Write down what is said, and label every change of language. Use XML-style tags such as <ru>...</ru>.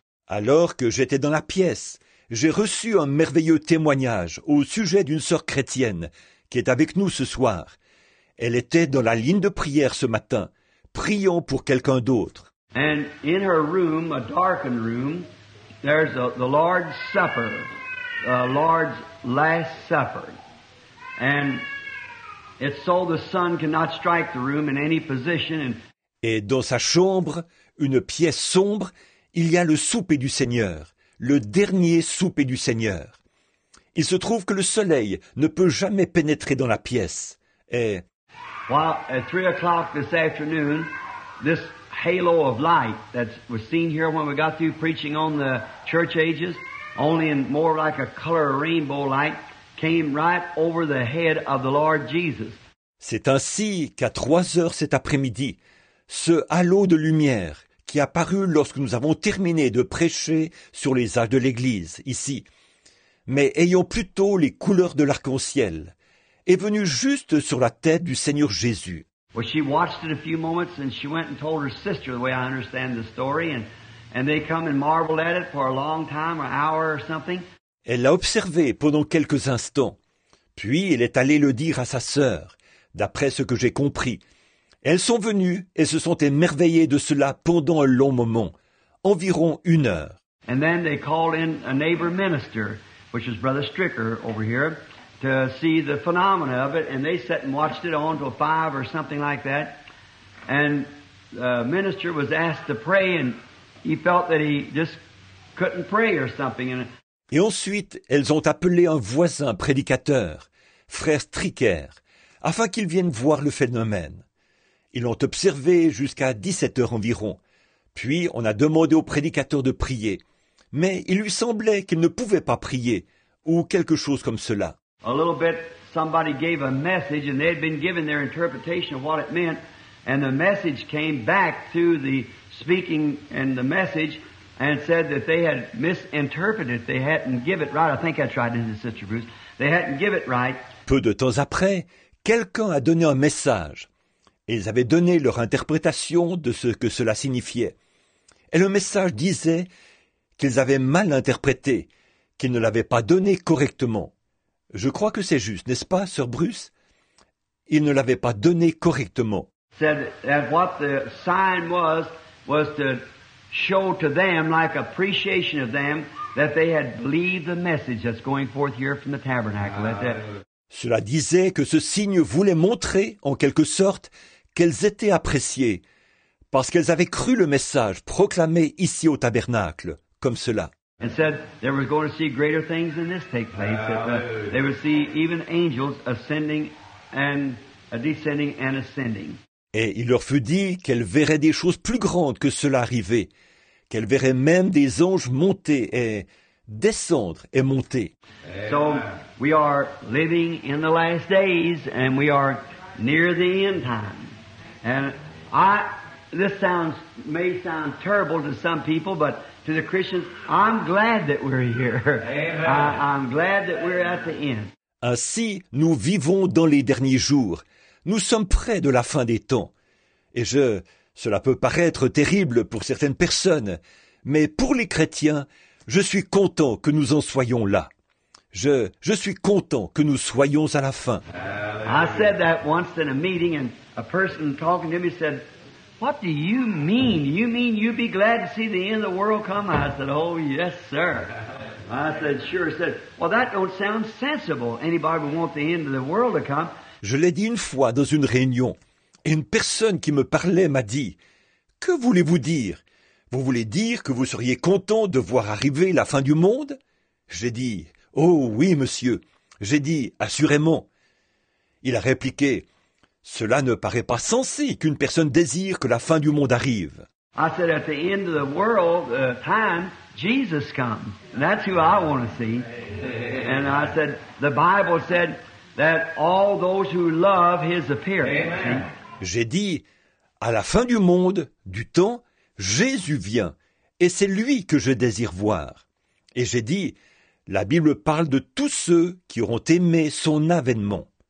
<fr>Alors que j'étais dans la pièce, j'ai reçu un merveilleux témoignage au sujet d'une sœur chrétienne qui est avec nous ce soir. Elle était dans la ligne de prière ce matin, priant pour quelqu'un d'autre.</fr> <en>And in her room, a darkened room, there's the Lord's Supper, the Lord's Last Supper. And it's so the sun cannot strike the room in any position.</en> <fr>Et dans sa chambre, une pièce sombre, il y a le souper du Seigneur, le dernier souper du Seigneur. Il se trouve que le soleil ne peut jamais pénétrer dans la pièce. Et</fr> <en>while at 3 o'clock this afternoon, this halo of light that was seen here when we got through preaching on the church ages, only in more like a color of rainbow light, came right over the head of the Lord Jesus.</en> <fr>C'est ainsi qu'à 3 heures cet après-midi, ce halo de lumière qui apparut lorsque nous avons terminé de prêcher sur les âges de l'Église, ici, mais ayant plutôt les couleurs de l'arc-en-ciel, est venu juste sur la tête du Seigneur Jésus.</fr> <en>Well, she watched it a few moments and she went and told her sister, the way I understand the story, and they come and marveled at it for a long time, an hour or something.</en> <fr>Elle l'a observé pendant quelques instants, puis elle est allée le dire à sa sœur, d'après ce que j'ai compris. Elles sont venues et se sont émerveillées de cela pendant un long moment, environ 1 heure.</fr> <en>And then they called in a neighbor minister, which is Brother Stricker over here, to see the phenomena of it, and they sat and watched it on till 5 or something like that. And the minister was asked to pray, and he felt that he just couldn't pray or something.</en> <fr>Et ensuite, elles ont appelé un voisin prédicateur, Frère Stricker, afin qu'il vienne voir le phénomène. Ils l'ont observé jusqu'à 17 heures environ. Puis on a demandé au prédicateur de prier. Mais il lui semblait qu'il ne pouvait pas prier, ou quelque chose comme cela.</fr> <en>A little bit, somebody gave a message, and they had been given their interpretation of what it meant. And the message came back through the speaking and the message, and said that they had misinterpreted, they hadn't given it right. I think I tried it, Sister Bruce. They hadn't given it right.</en> <fr>Peu de temps après, quelqu'un a donné un message. Ils avaient donné leur interprétation de ce que cela signifiait. Et le message disait qu'ils avaient mal interprété, qu'ils ne l'avaient pas donné correctement. Je crois que c'est juste, n'est-ce pas, Sœur Bruce? Ils ne l'avaient pas donné correctement.</fr> <en>Said that what the sign was to show to them like appreciation of them that they had believed the message that's going forth here from the tabernacle.</en> <fr>Cela disait que ce signe voulait montrer, en quelque sorte, qu'elles étaient appréciées, parce qu'elles avaient cru le message proclamé ici au tabernacle, comme cela.</fr> <en>And said they were going to see greater things than this take place. They would see even angels ascending and descending and ascending.</en> <fr>Et il leur fut dit qu'elles verraient des choses plus grandes que cela arriver, qu'elles verraient même des anges monter et descendre et monter.</fr> <en>So we are living in the last days and we are near the end time. And this may sound terrible to some people, but to the Christians, I'm glad that we're here. I'm glad that we're at the end.</en> <fr>Ainsi, nous vivons dans les derniers jours. Nous sommes près de la fin des temps. Et cela peut paraître terrible pour certaines personnes, mais pour les chrétiens, je suis content que nous en soyons là. Je suis content que nous soyons à la fin.</fr> <en>I said that once in a meeting, and a person talking to me said, "What do you mean? You mean you'd be glad to see the end of the world come?" I said, "Oh yes, sir." I said, "Sure." I said, "Well, that don't sound sensible. Anybody would want the end of the world to come."</en> <fr>Je l'ai dit une fois dans une réunion, et une personne qui me parlait m'a dit, « Que voulez-vous dire? Vous voulez dire que vous seriez content de voir arriver la fin du monde ?» J'ai dit, « Oh oui, monsieur. » J'ai dit, « Assurément. » Il a répliqué, « Cela ne paraît pas sensé qu'une personne désire que la fin du monde arrive. »</fr> <en>I said, « At the end of the world, time, Jesus come. That's who I want to see. » And I said, « The Bible said, that all those who love his appearance." Amen.</en> <fr>J'ai dit, à la fin du monde, du temps, Jésus vient, et c'est lui que je désire voir. Et j'ai dit, la Bible parle de tous ceux qui auront aimé son avènement.</fr>